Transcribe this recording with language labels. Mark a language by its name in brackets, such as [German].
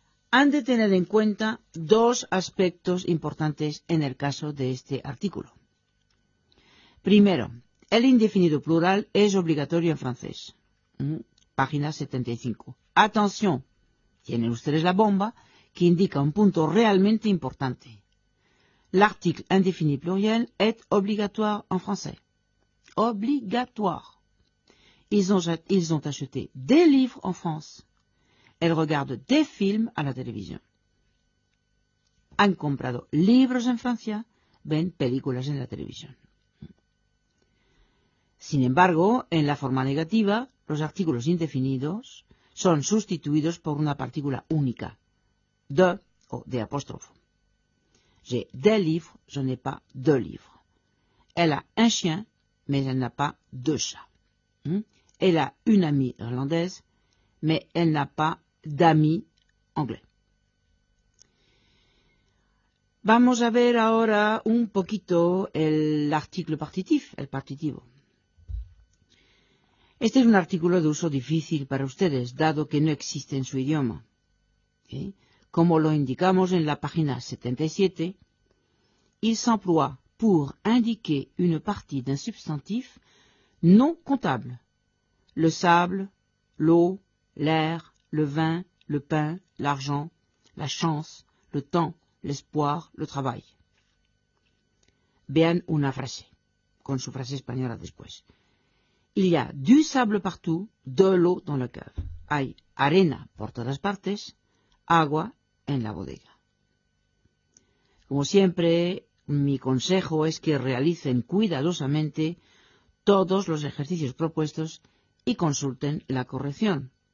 [Spanish] Han de tener en cuenta dos aspectos importantes en el caso de este artículo. Primero, el indefinido plural es obligatorio en francés. Página 75. Atención, tienen ustedes la bomba que indica un punto realmente importante. [French] L'article indéfini pluriel est obligatoire en français. Obligatoire. Ils ont acheté des livres en France. Elles regardent des films à la télévision. [Spanish] Han comprado libros en Francia, ven películas en la televisión. Sin embargo, en la forma negativa, los artículos indefinidos son sustituidos por una partícula única, de o de apóstrofo. [French] J'ai des livres, je n'ai pas de livres. Elle a un chien, mais elle n'a pas de chat. Elle a une amie irlandaise, mais elle n'a pas d'amis anglais. [Spanish] Vamos a ver ahora un poquito l'article partitif, el partitivo. Este es un artículo de uso difícil para ustedes, dado que no existe en su idioma. Como lo indicamos en la página 77, [French] il s'emploie pour indiquer une partie d'un substantif non comptable. Le sable, l'eau, l'air, le vin, le pain, l'argent, la chance, le temps, l'espoir, le travail. [Spanish] Vean una frase, con su frase española después. [French] Il y a du sable partout, de l'eau dans la cave. [Spanish] Hay arena por todas partes, agua en la bodega. Como siempre, mi consejo es que realicen cuidadosamente todos los ejercicios propuestos y consulten la corrección.